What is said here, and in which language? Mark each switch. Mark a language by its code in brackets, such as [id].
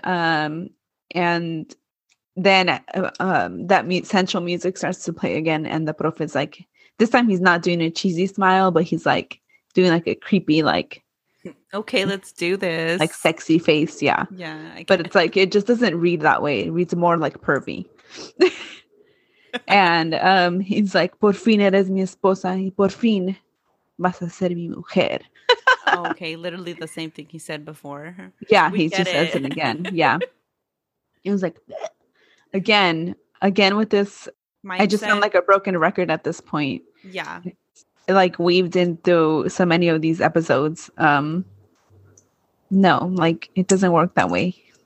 [en] And then that sensual music starts to play again. And the prof is like, this time he's not doing a cheesy smile, but he's like doing like a creepy, like, okay, let's do this. Like sexy face. Yeah. Yeah. But it's like, it just doesn't read that way. It reads more like pervy. And he's like, [es] por fin eres mi esposa y por fin vas a ser mi mujer. [en] Oh, okay, literally the same thing he said before. Yeah, he just says it again. Yeah. He was like, again with this mindset. I just sound like a broken record at this point. Yeah. It, like, weaved into so many of these episodes. No, like, it doesn't work that way.